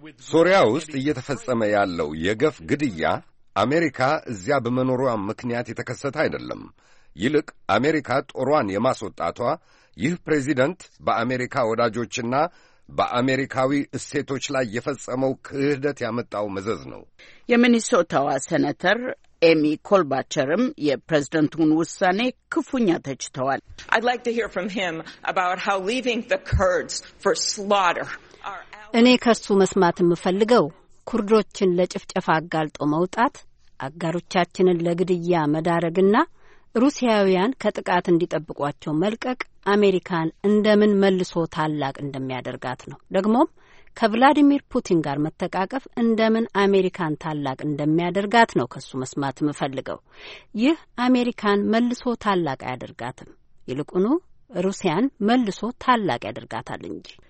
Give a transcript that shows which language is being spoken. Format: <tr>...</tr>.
<am>ሶሪያ ውስጥ እየተፈጸመ ያለው የገፍ ግድያ አሜሪካ እዚያ በመኖሯ ምክንያት የተከሰተ አይደለም። ይልቅ አሜሪካ ጦሯን የማስወጣቷ ይህ ፕሬዝደንት በአሜሪካ ወዳጆችና በአሜሪካዊ እሴቶች ላይ የፈጸመው ክህደት ያመጣው መዘዝ ነው። የሚኒሶታዋ ሴናተር ኤሚ ኮልባቸርም የፕሬዝደንቱን ውሳኔ ክፉኛ ተችተዋል።</am> <en>I'd like to hear from him about how leaving the Kurds for slaughter</en> <am>እኔ ከሱ መስማት የምፈልገው ኩርዶችን ለጭፍጨፋ አጋልጦ መውጣት፣ አጋሮቻችንን ለግድያ መዳረግና ሩሲያውያን ከጥቃት እንዲጠብቋቸው መልቀቅ አሜሪካን እንደምን መልሶ ታላቅ እንደሚያደርጋት ነው። ደግሞም ከብላዲሚር ፑቲን ጋር መተቃቀፍ እንደምን አሜሪካን ታላቅ እንደሚያደርጋት ነው ከሱ መስማት የምፈልገው። ይህ አሜሪካን መልሶ ታላቅ አያደርጋትም፣ ይልቁኑ ሩሲያን መልሶ ታላቅ ያደርጋታል እንጂ።</am>